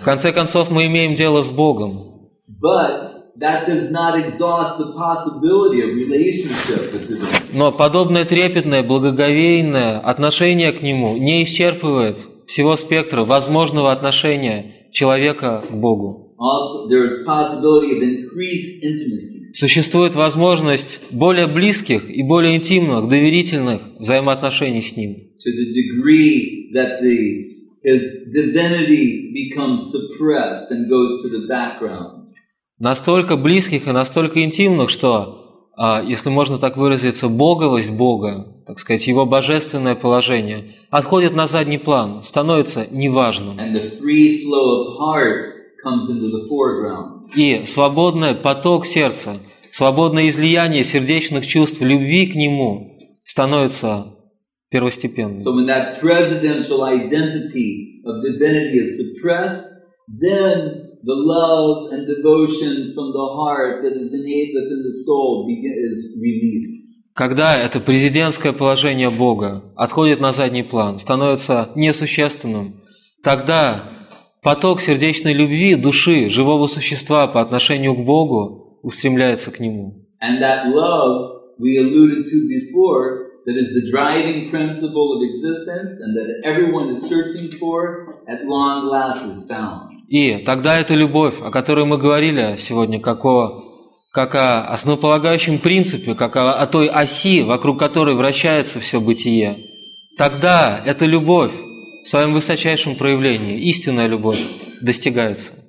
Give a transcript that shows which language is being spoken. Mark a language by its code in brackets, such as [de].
[ru] В конце концов, мы имеем дело с Богом. [en] But that does not exhaust the possibility of relationship with Him. [ru] Но подобное трепетное, благоговейное отношение к Нему не исчерпывает всего спектра возможного отношения человека к Богу. [en] Also, there is possibility of increased intimacy. [ru] Существует возможность более близких и более интимных, доверительных взаимоотношений с Ним. [en] To the degree that the His divinity becomes suppressed and goes to the background. [ru] Настолько близких и настолько интимных, что, если можно так выразиться, боговость Бога, так сказать, Его божественное положение, отходит на задний план, становится неважным. [en] And the free flow of heart comes into the foreground. [ru] И свободный поток сердца, свободное излияние сердечных чувств, любви к Нему становится первостепенным. [en] So when that presidential identity of divinity is suppressed, then the love and devotion from the heart that is innate within the soul is released. [ru] Когда это президентское положение Бога отходит на задний план, становится несущественным, тогда поток сердечной любви души, живого существа по отношению к Богу устремляется к Нему. [en] And that love we alluded to before, that is the driving principle of existence and that everyone is searching for, at long last is found. [ru] И тогда эта любовь, о которой мы говорили сегодня, как о основополагающем принципе, как о той оси, вокруг которой вращается все бытие, тогда эта любовь в своем высочайшем проявлении, истинная любовь, достигается.